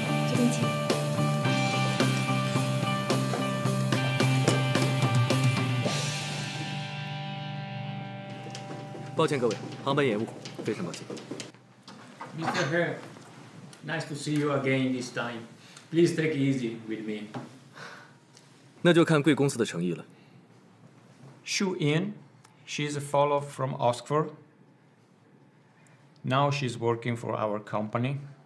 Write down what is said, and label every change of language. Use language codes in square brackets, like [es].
[zh] 这边请。抱歉各位，航班延误，非常抱歉。 [en] Mr. Herr, nice to see you again this time. Please take it easy with me. [zh] 那就看贵公司的诚意了。 [en] Shoo in. She's a follower from Oxford. Now she's working for our company.